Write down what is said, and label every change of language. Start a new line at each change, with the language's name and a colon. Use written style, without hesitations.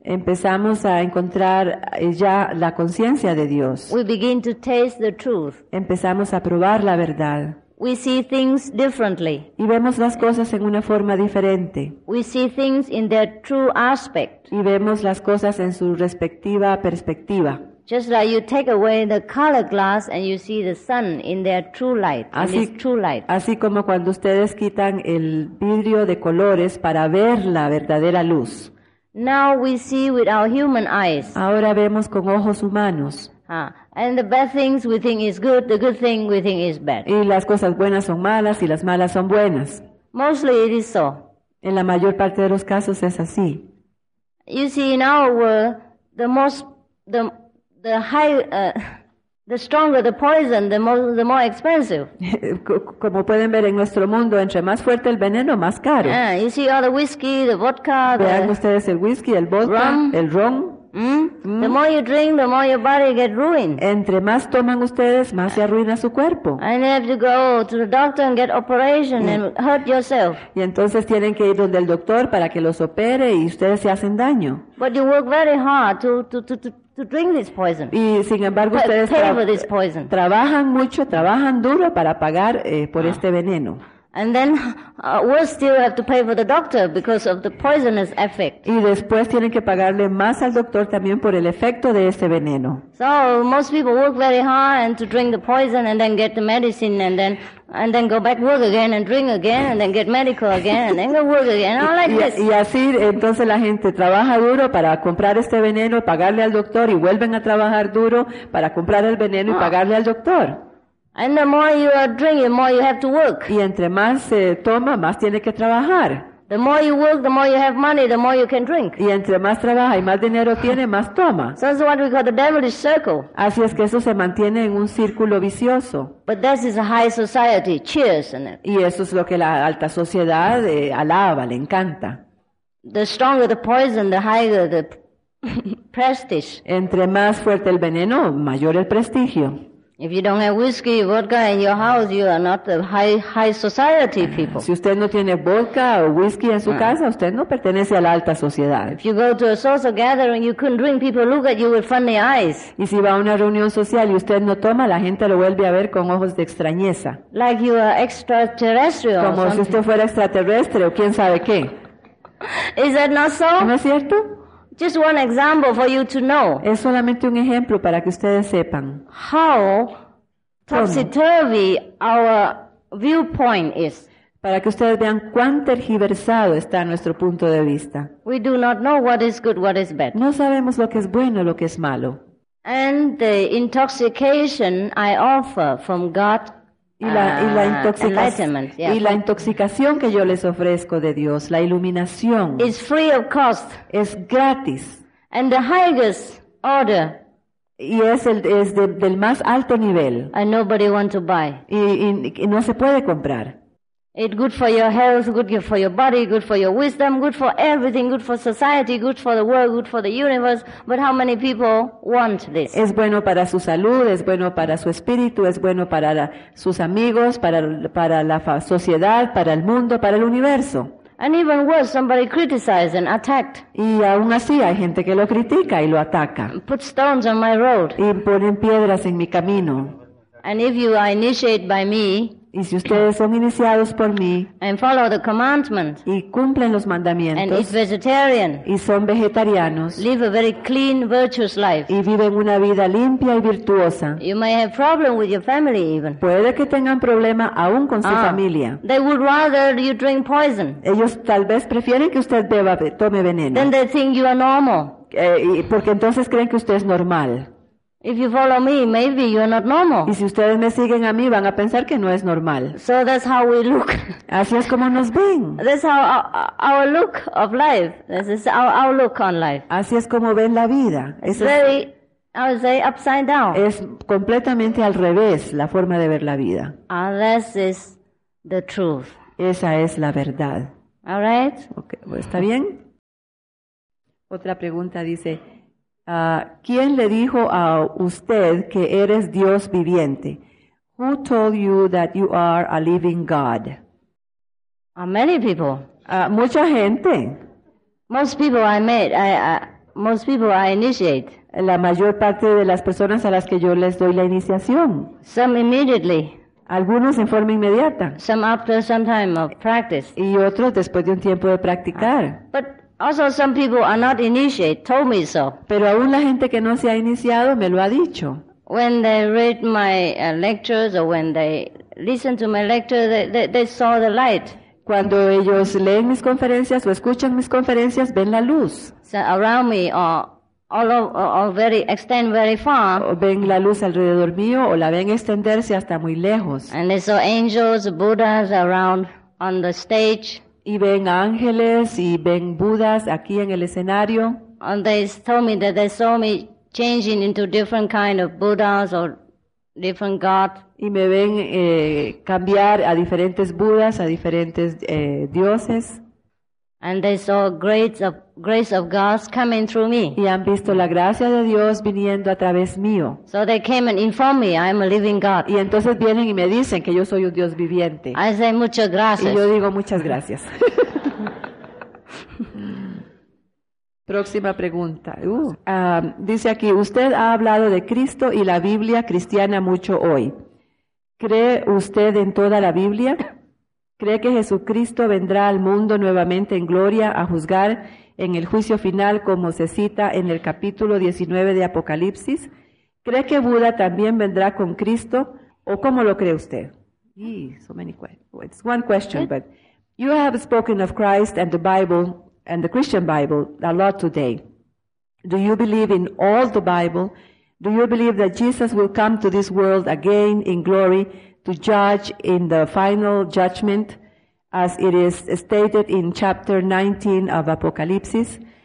Spanish: Empezamos a encontrar ya la conciencia de Dios.
English: We begin to taste the truth.
Spanish: Empezamos a probar la verdad.
English: We see things differently.
Spanish: Y vemos las cosas en una forma diferente.
English: We see things in their true aspect.
Spanish: Y vemos las cosas en su respectiva perspectiva.
English: Just like you take away the color glass and you see the sun in their true light,
Spanish: así,
English: in its true light.
Spanish: Así como cuando ustedes quitan el vidrio de colores para ver la verdadera luz.
English: Now we see with our human eyes.
Spanish: Ahora vemos con ojos humanos.
English: And the bad things we think is good, the good thing we think is bad.
Spanish: Y las cosas buenas son malas y las malas son buenas.
English: Mostly it is so.
Spanish: En la mayor parte de los casos es así.
English: You see, in our world, the stronger the poison, the more expensive.
Spanish: Como pueden ver en nuestro mundo, entre más fuerte el veneno, más caro.
English: You see all the whiskey, the vodka,
Spanish: vean ustedes el whisky, el vodka,
English: rum,
Spanish: el ron.
English: The more you drink, the more your body get ruined.
Spanish: Entre más toman ustedes, más se arruina su cuerpo.
English: And you have to go to the doctor and get operation and hurt yourself.
Spanish: Y entonces tienen que ir donde el doctor para que los opere y ustedes se hacen daño.
English: But you work very hard to drink this poison.
Spanish: Y sin embargo ustedes trabajan mucho, trabajan duro para pagar por este veneno.
English: And then we still have to pay for the doctor because of the poisonous effect.
Spanish: Y después tienen que pagarle más al doctor también por el efecto de este veneno.
English: So most people work very hard and to drink the poison and then get the medicine and then go back work again and drink again and then get medical again and then go work again. All like this.
Spanish: Y así entonces la gente trabaja duro para comprar este veneno, pagarle al doctor y vuelven a trabajar duro para comprar el veneno y pagarle al doctor.
English: And the more you are drinking, the more you have to work.
Spanish: Y entre más se toma, más tiene que trabajar.
English: The more you work, the more you have money, the more you can drink.
Spanish: Y entre más trabaja y más dinero tiene, más toma.
English: So that's what we call the devilish circle.
Spanish: Así es que eso se mantiene en un círculo vicioso.
English: But this is a high society. Cheers, isn't it?
Spanish: Y eso es lo que la alta sociedad alaba, le encanta.
English: The stronger the poison, the higher the prestige.
Spanish: Entre más fuerte el veneno, mayor el prestigio.
English: If you don't have whiskey, vodka in your house, you are not the high society people.
Spanish: Si usted no tiene vodka o whisky en su casa, usted no pertenece a la alta sociedad.
English: If you go to a social gathering, you couldn't drink, people look at you with funny eyes.
Spanish: Y si va a una reunión social y usted no toma, la gente lo vuelve a ver con ojos de extrañeza.
English: Like you are extraterrestrial.
Spanish: Como si usted fuera extraterrestre o quién sabe qué.
English: Is that not so?
Spanish: ¿No es cierto?
English: Just one example for you to know.
Spanish: Es solamente un ejemplo para que ustedes sepan.
English: How topsy-turvy our viewpoint is.
Spanish: Para que ustedes vean cuán tergiversado está nuestro punto de vista.
English: We do not know what is good, what is bad.
Spanish: No sabemos lo que es bueno, lo que es malo.
English: And the intoxication I offer from God.
Spanish: Y la intoxicación que yo les ofrezco de Dios, la iluminación,
English: is free of cost.
Spanish: Es gratis.
English: And the highest order.
Spanish: Y es del más alto nivel.
English: And nobody want to buy.
Spanish: Y no se puede comprar.
English: It's good for your health, good for your body, good for your wisdom, good for everything, good for society, good for the world, good for the universe. But how many people want this?
Spanish: Es bueno para su salud, es bueno para su espíritu, es bueno para sus amigos, para la sociedad, para el mundo, para el universo.
English: And even worse, somebody criticized and attacked.
Spanish: Y aún así hay gente que lo critica y lo ataca.
English: Put stones on my road.
Spanish: Y ponen piedras en mi camino.
English: And if you are initiated by me,
Spanish: y si ustedes son iniciados por mí
English: and follow the commandments,
Spanish: y cumplen los mandamientos
English: and eat vegetarian,
Spanish: y son vegetarianos
English: live a very clean, virtuous life,
Spanish: y viven una vida limpia y virtuosa,
English: you may have problem with your family even.
Spanish: Puede que tengan problema aún con su familia.
English: They would rather you drink poison.
Spanish: Ellos tal vez prefieren que usted tome veneno.
English: Then they think you are normal.
Spanish: Porque entonces creen que usted es normal.
English: If you follow me, maybe you're not normal.
Spanish: Y si ustedes me siguen a mí, van a pensar que no es normal.
English: So that's how we look.
Spanish: Así es como nos ven.
English: That's how our look of life. This is our outlook on life.
Spanish: Así es como ven la vida.
English: It's very, I would say, upside down.
Spanish: Es completamente al revés la forma de ver la vida.
English: And this is the truth.
Spanish: Esa es la verdad.
English: All right.
Spanish: Okay. ¿Está bien? Otra pregunta dice. ¿Quién le dijo a usted que eres Dios viviente?
English: Who told you that you are a living God? Many people.
Spanish: Mucha gente.
English: Most people I initiate.
Spanish: La mayor parte de las personas a las que yo les doy la iniciación.
English: Some immediately.
Spanish: Algunos en forma inmediata.
English: Some after some time of practice.
Spanish: Y otros después de un tiempo de practicar.
English: But also some people are not initiated, told me so.
Spanish: Pero aún la gente que no se ha iniciado me lo ha dicho.
English: When they read my lectures or when they listen to my lectures, they saw the light.
Spanish: Cuando ellos leen mis conferencias o escuchan mis conferencias, ven la luz.
English: So around me or extend very far.
Spanish: O ven la luz alrededor mío o la ven extenderse hasta muy lejos.
English: And they saw angels, Buddhas around on the stage.
Spanish: Y ven ángeles y ven Budas aquí en el escenario.
English: And they told me that they saw me changing into different kind of Buddhas or different God.
Spanish: Y me ven cambiar a diferentes Budas, a diferentes dioses.
English: And they saw grace of God coming through me.
Spanish: Y han visto la gracia de Dios viniendo a través mío.
English: So they came and informed me I am a living God.
Spanish: Y entonces vienen y me dicen que yo soy un Dios viviente.
English: I say
Spanish: muchas gracias. Y yo digo muchas gracias. Próxima pregunta. Dice aquí, usted ha hablado de Cristo y la Biblia cristiana mucho hoy. ¿Cree usted en toda la Biblia? ¿Cree que Jesucristo vendrá al mundo nuevamente en gloria a juzgar en el juicio final como se cita en el capítulo 19 de Apocalipsis? ¿Cree que Buda también vendrá con Cristo o cómo lo cree usted?
English: So many questions. One question, but you have spoken of Christ and the Bible and the Christian Bible a lot today. Do you believe in all the Bible? Do you believe that Jesus will come to this world again in glory to judge in the final judgment, as it is stated in chapter 19 of Apocalypse?